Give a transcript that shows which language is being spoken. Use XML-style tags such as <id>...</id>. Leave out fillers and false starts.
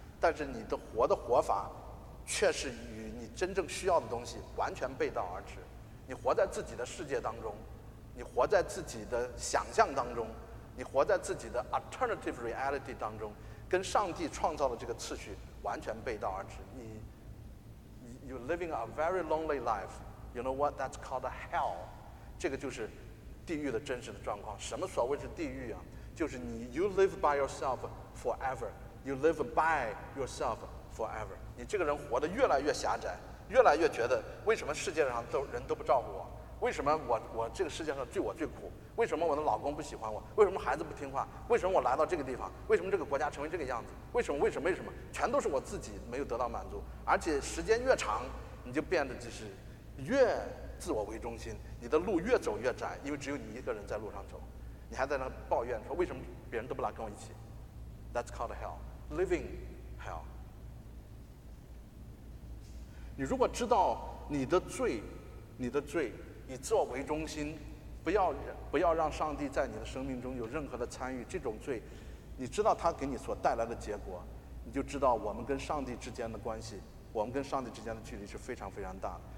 <zh>但是你的活的活法却是与你真正需要的东西完全背道而驰，你活在自己的世界当中，你活在自己的想象当中，你活在自己的 alternative reality 当中，跟上帝创造的这个次序完全背道而驰。</zh> <en>你 You're living a very lonely life. You know what? That's called a hell.</en> <zh>这个就是地狱的真实的状况。什么所谓是地狱啊？</zh> <en>就是你 You live by yourself forever. You live by yourself forever.</en> <zh>你这个人活得越来越狭窄，越来越觉得为什么世界上人都不照顾我，为什么我这个世界上最苦，为什么我的老公不喜欢我，为什么孩子不听话，为什么我来到这个地方，为什么这个国家成为这个样子，为什么全都是我自己没有得到满足。而且时间越长，你就变得就是越自我为中心，你的路越走越窄，因为只有你一个人在路上走，你还在那抱怨说为什么别人都不来跟我一起。</zh> <en>That's called hell, living hell.</en> <zh>你如果知道你的罪以自我为中心，不要让上帝在你的生命中有任何的参与，这种罪你知道它给你所带来的结果，你就知道我们跟上帝之间的关系，我们跟上帝之间的距离是非常非常大的。</zh>